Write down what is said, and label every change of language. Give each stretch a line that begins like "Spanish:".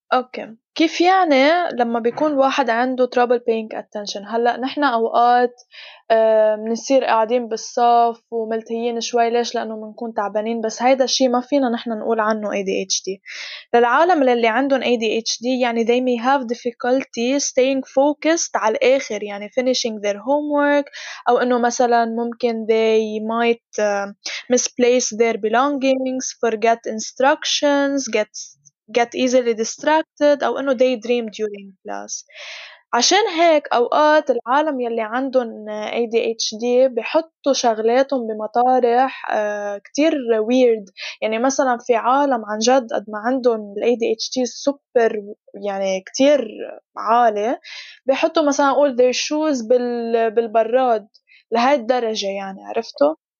Arabic: أوكي، كيف يعني لما بيكون الواحد عنده
English: trouble paying attention؟
Arabic: هلأ نحنا أوقات منصير قاعدين بالصف وملتهيين شوي، ليش؟ لأنه منكون تعبانين، بس هيدا الشيء ما فينا نحنا نقول عنه ADHD. للعالم اللي عندهم ADHD يعني
English: they may have difficulty staying focused
Arabic: على الآخر، يعني
English: finishing their homework،
Arabic: أو أنه مثلا ممكن
English: they might misplace their belongings, forget instructions, get easily distracted،
Arabic: أو أنه
English: daydream during class.
Arabic: عشان هيك أوقات العالم يلي عندهم ADHD بحطوا شغلاتهم بمطارح كتير weird. يعني مثلا في عالم عن جد قد ما عندهم ADHD super يعني كتير عالي، بحطوا مثلا قول
English: their shoes
Arabic: بالبراد لهي الدرجة، يعني عرفتوا؟